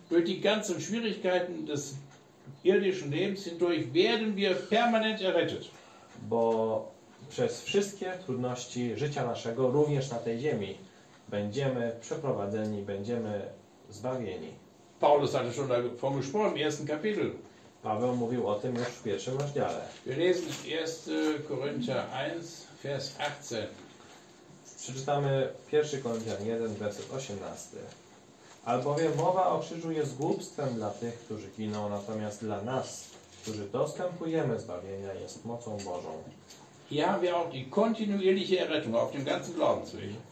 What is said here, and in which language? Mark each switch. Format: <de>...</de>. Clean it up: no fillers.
<de>Durch die ganzen Schwierigkeiten des irdischen Lebens hindurch werden wir permanent errettet.</de> <pl>Bo przez wszystkie trudności życia naszego, również na tej ziemi, będziemy przeprowadzeni, będziemy zbawieni.</pl> <de>Paulus hatte schon davon gesprochen, im ersten Kapitel.</de> <pl>Paweł mówił o tym już w pierwszym rozdziale.</pl> <de>Wir lesen 1. Korinther 1, Vers 18.</de> <pl>Przeczytamy 1 Koryntian 1, werset 18. Albowiem mowa o krzyżu jest głupstwem dla tych, którzy giną, natomiast dla nas, którzy dostępujemy zbawienia, jest mocą Bożą.</pl> <de>Hier haben wir auch die kontinuierliche Errettung auf dem ganzen Glaubensweg.</de>